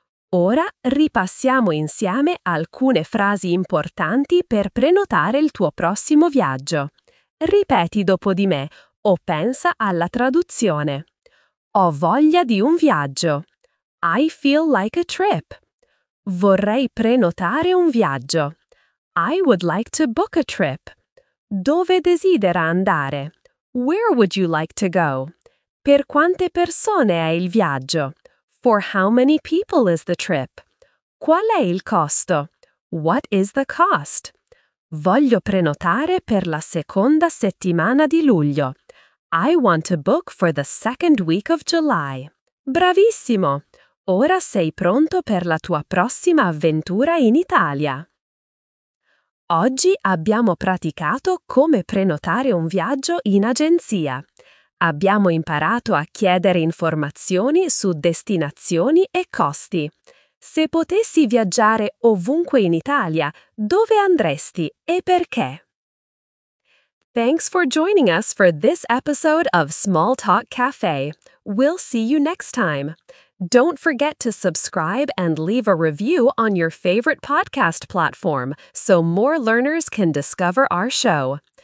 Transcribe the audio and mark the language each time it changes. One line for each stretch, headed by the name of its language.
Italian: Ora ripassiamo insieme alcune frasi importanti per prenotare il tuo prossimo viaggio. Ripeti dopo di me o pensa alla traduzione. Ho voglia di un viaggio.
English: I feel like a trip.
Italian: Vorrei prenotare un viaggio.
English: I would like to book a trip.
Italian: Dove desidera andare?
English: Where would you like to go?
Italian: Per quante persone è il viaggio?
English: For how many people is the trip?
Italian: Qual è il costo?
English: What is the cost?
Italian: Voglio prenotare per la seconda settimana di luglio.
English: I want to book for the second week of July.
Italian: Bravissimo! Ora sei pronto per la tua prossima avventura in Italia. Oggi abbiamo praticato come prenotare un viaggio in agenzia. Abbiamo imparato a chiedere informazioni su destinazioni e costi. Se potessi viaggiare ovunque in Italia, dove andresti e perché?
English: Thanks for joining us for this episode of Small Talk Cafe. We'll see you next time. Don't forget to subscribe and leave a review on your favorite podcast platform so more learners can discover our show.